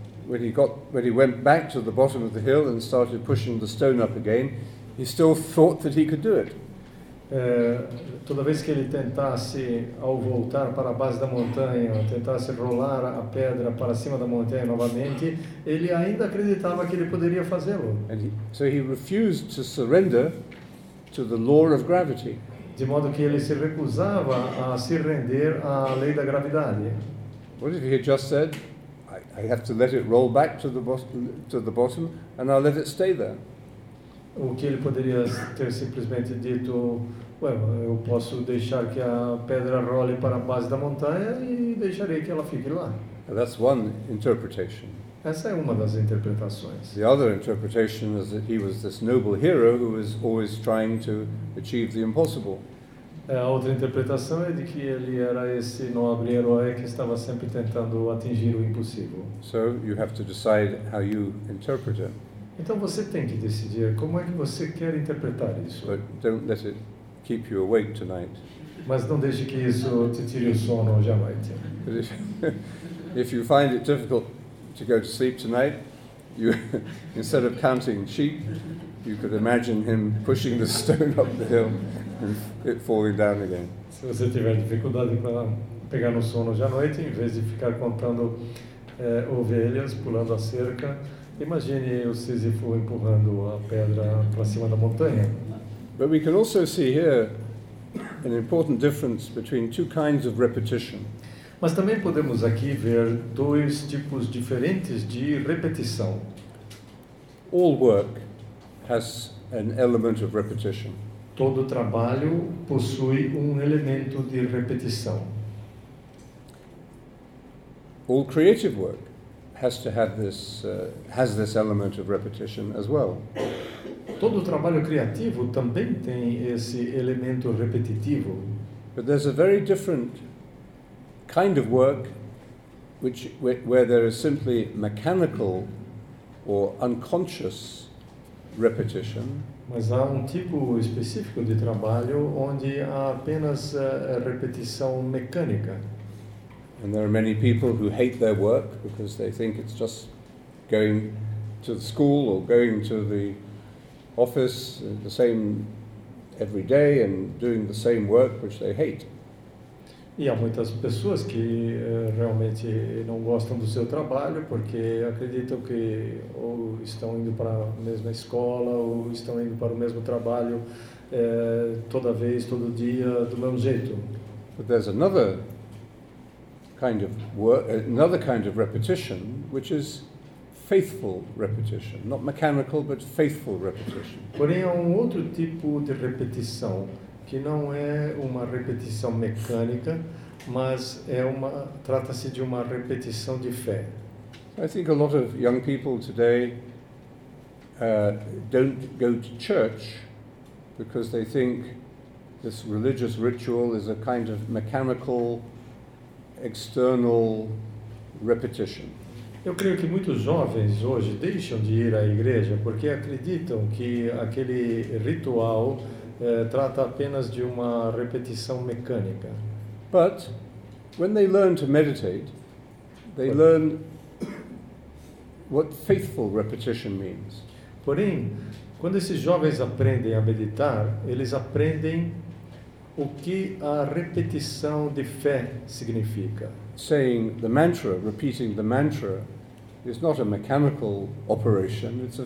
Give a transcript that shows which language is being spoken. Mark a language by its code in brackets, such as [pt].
[en] When he went back to the bottom of the hill and started pushing the stone up again, he still thought that he could do it. [pt] Toda vez que ele tentasse, ao voltar para a base da montanha, tentasse rolar a pedra para cima da montanha novamente, ele ainda acreditava que ele poderia fazê-lo. [en] So he refused to surrender to the law of gravity. [pt] De modo que ele se recusava a se render à lei da gravidade. [en] What if he had just said, I have to let it roll back to the bottom, and I'll let it stay there? [pt] O que ele poderia ter simplesmente dito, eu posso deixar que a pedra role para a base da montanha e deixarei que ela fique lá. [en] And that's one interpretation. [pt] Essa é uma das interpretações. [en] The other interpretation is that he was this noble hero who was always trying to achieve the impossible. [pt] A outra interpretação é de que ele era esse nobre herói que estava sempre tentando atingir o impossível. [en] So you have to decide how you interpret it. [pt] Então você tem que decidir como é que você quer interpretar isso. [en] But don't let it keep you awake tonight. [pt] Mas não deixe que isso te tire o sono hoje à noite. [en] If you find it difficult to go to sleep tonight, you, instead of counting sheep, you could imagine him pushing the stone up the hill and it falling down again. [pt] Se você tiver dificuldade para pegar no sono hoje à noite, em vez de ficar contando ovelhas pulando a cerca, imagine o Sísifo empurrando a pedra para cima da montanha. [en] But we can also see here an important difference between two kinds of repetition. [pt] Mas também podemos aqui ver dois tipos diferentes de repetição. [en] All work has an element of repetition. [pt] Todo trabalho possui elemento de repetição. [en] All creative work has to have this has this element of repetition as well. [pt] Todo trabalho criativo também tem esse elemento repetitivo. [en] But there's a very different kind of work which where there is simply mechanical or unconscious repetition. [pt] Mas há tipo específico de trabalho onde há apenas repetição mecânica. [en] And there are many people who hate their work because they think it's just going to the school or going to the office the same every day and doing the same work, which they hate. [pt] E há muitas pessoas que realmente não gostam do seu trabalho porque acreditam que ou estão indo para a mesma escola ou estão indo para o mesmo trabalho toda vez, todo dia, do mesmo jeito. [en] But there's another kind of work, another kind of repetition, which is faithful repetition, not mechanical, but faithful repetition. [pt] Porém, há um outro tipo de repetição que não é uma repetição mecânica, mas é uma trata-se de uma repetição de fé. [en] I think a lot of young people today don't go to church because they think this religious ritual is a kind of mechanical, external repetition. [pt] Eu creio que muitos jovens hoje deixam de ir à igreja porque acreditam que aquele ritual trata apenas de uma repetição mecânica. [en] But when they learn to meditate, they learn what faithful repetition means. [pt] Porém, quando esses jovens aprendem a meditar, eles aprendem o que a repetição de fé significa. [en] Saying the mantra, repeating the mantra, is not a mechanical operation.